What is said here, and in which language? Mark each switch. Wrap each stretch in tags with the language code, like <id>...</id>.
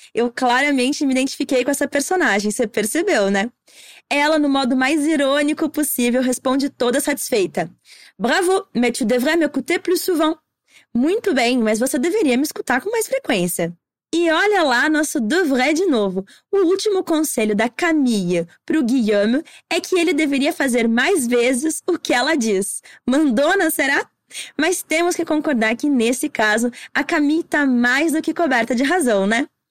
<pt>Eu claramente me identifiquei com essa personagem, você percebeu, né? Ela, no modo mais irônico possível, responde toda satisfeita.</pt> <fr>Bravo, mais tu devrais m'écouter plus souvent.</fr> <pt>Muito bem, mas você deveria me escutar com mais frequência. E olha lá nosso devrait de novo. O último conselho da Camille pro Guilherme é que ele deveria fazer mais vezes o que ela diz. Mandona, será? Mas temos que concordar que, nesse caso, a Camille tá mais do que coberta de razão, né?</pt>